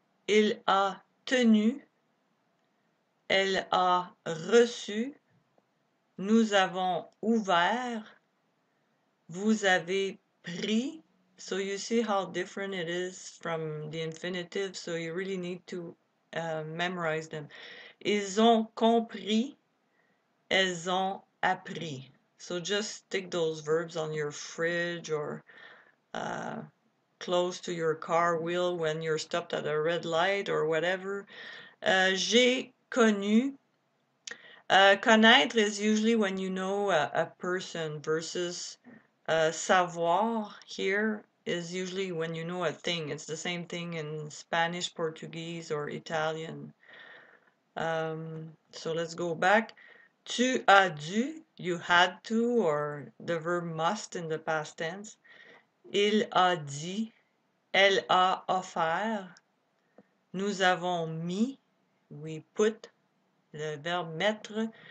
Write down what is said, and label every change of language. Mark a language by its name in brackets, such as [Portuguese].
[French] Il a tenu, elle a reçu, nous avons ouvert, vous avez pris. [English] So you see how different it is from the infinitive, so you really need to memorize them. [French] Ils ont compris, elles ont appris. [English] So just stick those verbs on your fridge or close to your car wheel when you're stopped at a red light or whatever. [French] J'ai connu. [English] Connaître is usually when you know a person versus savoir here is usually when you know a thing. It's the same thing in Spanish, Portuguese, or Italian. So let's go back. [French] Tu as dû, [English] you had to, or the verb must in the past tense. [French] Il a dit, elle a offert. Nous avons mis, [English] we put, [French] le verbe mettre.